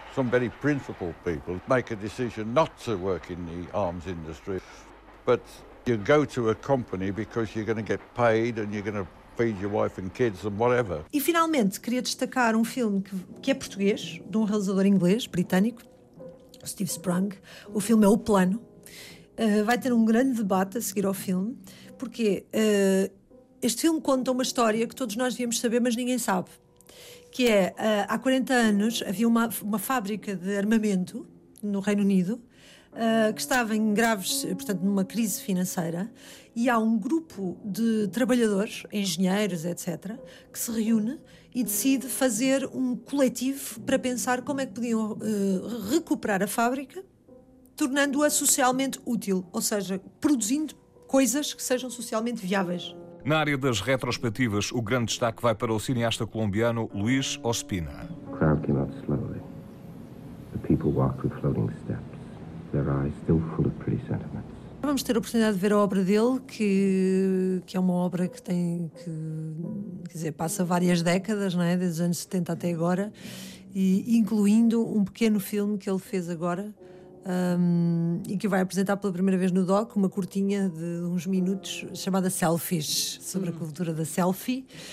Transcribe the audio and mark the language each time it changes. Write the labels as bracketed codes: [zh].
[en] Some very principled people make a decision not to work in the arms industry. But you go to a company because you're going to get paid and you're going to feed your wife and kids and whatever. [pt] E finalmente queria destacar um filme que é português, de um realizador inglês, britânico, Steve Sprung. O filme é O Plano. Vai ter um grande debate a seguir ao filme, porque este filme conta uma história que todos nós devíamos saber, mas ninguém sabe, que é, há 40 anos havia uma fábrica de armamento no Reino Unido, que estava em graves, portanto, numa crise financeira, e há um grupo de trabalhadores, engenheiros, etc., que se reúne e decide fazer um coletivo para pensar como é que podiam recuperar a fábrica, tornando-a socialmente útil, ou seja, produzindo coisas que sejam socialmente viáveis. Na área das retrospectivas, o grande destaque vai para o cineasta colombiano Luis Ospina. [en] The crowd came out slowly. The people walked with floating steps, their eyes still full of pretty sentiments. [pt] Vamos ter a oportunidade de ver a obra dele, que é uma obra que tem, que, quer dizer, passa várias décadas, não é? Desde os anos 70 até agora, e incluindo um pequeno filme que ele fez agora, e que vai apresentar pela primeira vez no DOC, uma curtinha de uns minutos chamada Selfies, sobre a cultura da selfie.